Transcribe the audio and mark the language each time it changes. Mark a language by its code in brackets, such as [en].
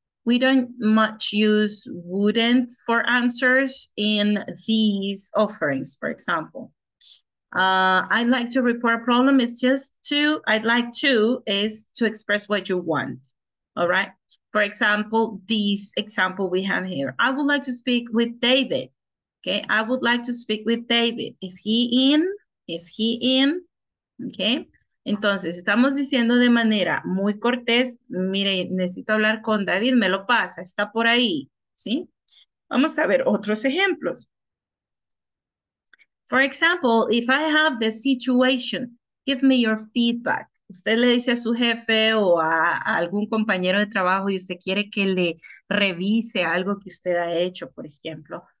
[en] We don't much use wouldn't for answers in these offerings, for example. I'd like to report a problem is just to, I'd like to is to express what you want, all right? For example, this example we have here. I would like to speak with David, okay? I would like to speak with David. Is he in? Is he in? [es] Okay, entonces estamos diciendo de manera muy cortés, mire, necesito hablar con David, me lo pasa, está por ahí, ¿sí? Vamos a ver otros ejemplos. [en] For example, if I have the situation, give me your feedback. [es] Usted le dice a su jefe o a algún compañero de trabajo y usted quiere que le revise algo que usted ha hecho, por ejemplo.